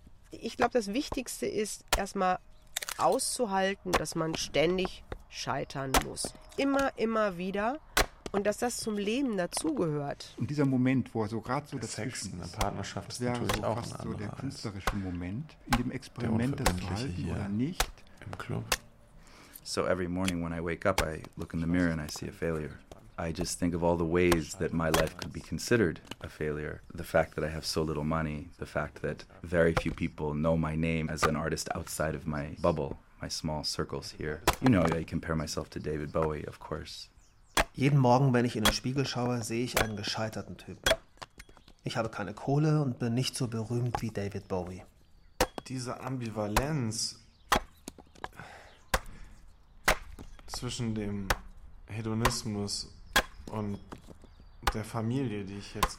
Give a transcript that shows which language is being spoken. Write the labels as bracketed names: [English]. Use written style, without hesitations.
[German] Ich glaube, das Wichtigste ist, erstmal auszuhalten, dass man ständig scheitern muss. Immer, immer wieder. Und dass das zum Leben dazugehört. Und dieser Moment, wo er so gerade so das Sex in der Partnerschaft ist, natürlich so auch fast ein so der künstlerische Moment, in dem Experiment, das zu halten oder nicht. Im Club. [English] So every morning when I wake up, I look in the mirror and I see a failure. I just think of all the ways that my life could be considered a failure. The fact that I have so little money, the fact that very few people know my name as an artist outside of my bubble, my small circles here. You know, I compare myself to David Bowie, of course. [German] Jeden Morgen, wenn ich in den Spiegel schaue, sehe ich einen gescheiterten Typen. Ich habe keine Kohle und bin nicht so berühmt wie David Bowie. Diese Ambivalenz zwischen dem Hedonismus und der Familie, die ich jetzt